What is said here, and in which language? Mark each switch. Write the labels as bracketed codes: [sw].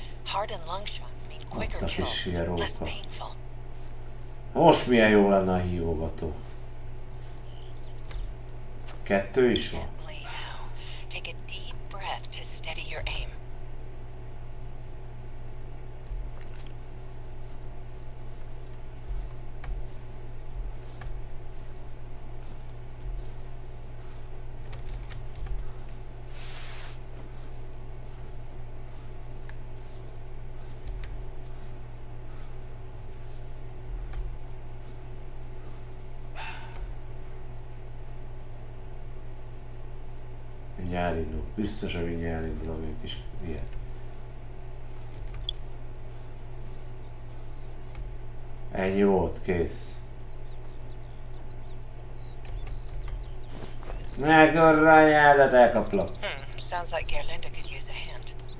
[en] Heart and lung shots mean quicker kills, less painful. [hu] Most milyen jó lenne a hívogató. Kettő is van. [en] Take a deep breath to steady your aim. [hu] Elindul. Biztos, hogy mindjárt elindul, ami egy kis ilyen. Ennyi volt, kész. Megarrálj el, de elkaplak. [en] Sounds like Gerlinda could use a hand.